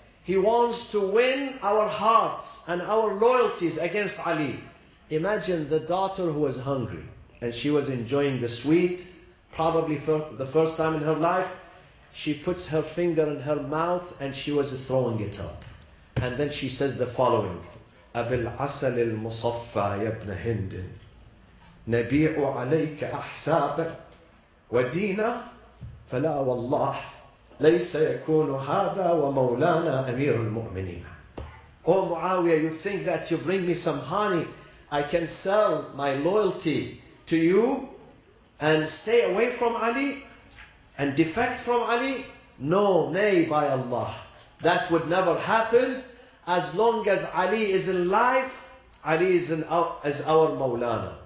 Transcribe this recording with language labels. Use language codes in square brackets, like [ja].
[en] He wants to win our hearts and our loyalties against Ali. Imagine the daughter who was hungry and she was enjoying the sweet, probably for the first time in her life. She puts her finger in her mouth and she was throwing it up. And then she says the following, [ar] أَبِلْ عَسَلِ الْمُصَفَّى يَبْنَ هِنْدٍ نَبِيعُ عَلَيْكَ أَحْسَابَ وَدِينَ فَلَا وَاللَّهِ لَيْسَ يَكُونُ هَذَا وَمَوْلَانَا أَمِيرُ الْمُؤْمِنِينَ. [en] Oh Muawiyah, you think that you bring me some honey, I can sell my loyalty to you and stay away from Ali and defect from Ali? No, nay, by Allah, that would never happen. As long as Ali is in life, Ali is our Mawlana.